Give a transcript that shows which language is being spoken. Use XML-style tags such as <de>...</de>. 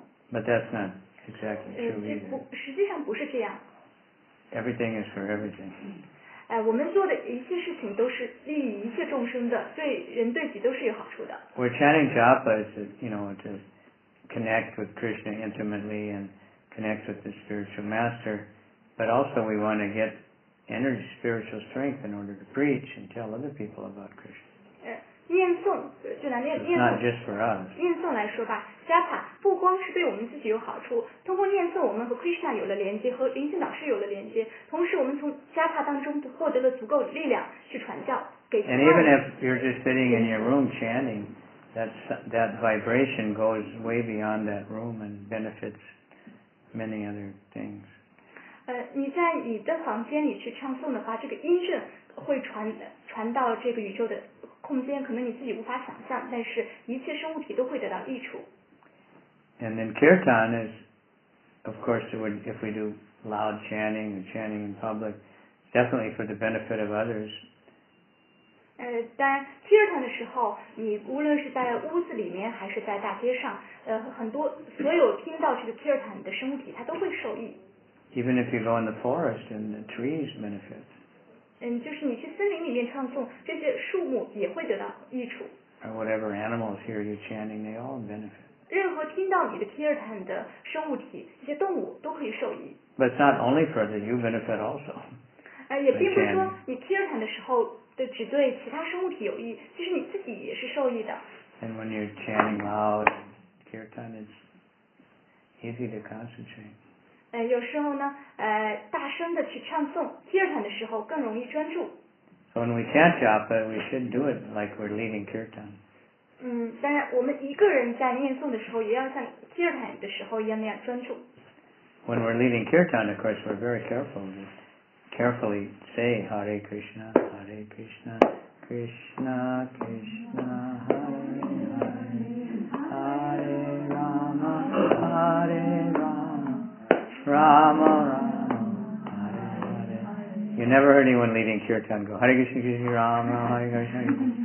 <en>But that's not exactly true either. Everything is for everything.</en> <zh>我们做的一切事情都是利益一切众生的，对人对己都是有好处的。</zh> <en>We're chanting japa is to, you know, to connect with Krishna intimately and connect with the spiritual master, but also we want to get energy, spiritual strength in order to preach and tell other people about Krishna.</en> <zh>念诵就来念诵</zh> <en>not just for us.</en> <zh>念诵来说吧 Japa 不光是对我们自己有好处通过念诵我们和 Krishna 有了连接和灵性导师有了连接同时我们从 Japa 当中获得了足够的力量去传教给</zh> <en>And even if you're just sitting in your room chanting that vibration goes way beyond that room and benefits many other things</en> <zh>你在你的房间里去唱诵的话这个音声会 传到这个宇宙的空间可能你自己无法想象但是一切生物体都会得到益处</zh> <en>and then kirtan is of course if we do loud chanting or chanting in public definitely for the benefit of others</en> <zh>当然 kirtan 的时候你无论是在屋子里面还是在大街上很多所有听到这个 kirtan 的生物体它都会受益</zh> <en>even if you go in the forest and the trees benefit</en> <zh>就是你去森林里面唱诵这些树木也会得到益处</zh> <en>or whatever animals hear you chanting they all benefit</en> <zh>任何听到你的 kirtan 的生物体这些动物都可以受益</zh> <en>but it's not only for that you benefit also</en> <zh>也并不是说你 kirtan 的时候的只对其他生物体有益其实你自己也是受益的</zh> <en>and when you're chanting loud kirtan is easy to concentrate</en> <zh>有时候呢大声的去唱诵 kirtan 的时候更容易专注</zh> <en>So when we chant japa we should do it like we're leading kirtan</en> <zh>当然我们一个人在念诵的时候也要像 kirtan 的时候一样那样专注</zh> <en>When we're leading kirtan of course we're very careful to carefully say Hare Krishna Hare Krishna Krishna Krishna Hare Hare Hare Rama Hare RamaRama, Rama, Hare Hare. You never heard anyone leading kirtan go, Hare Krishna, Krishna, Rama, Hare Krishna.</en>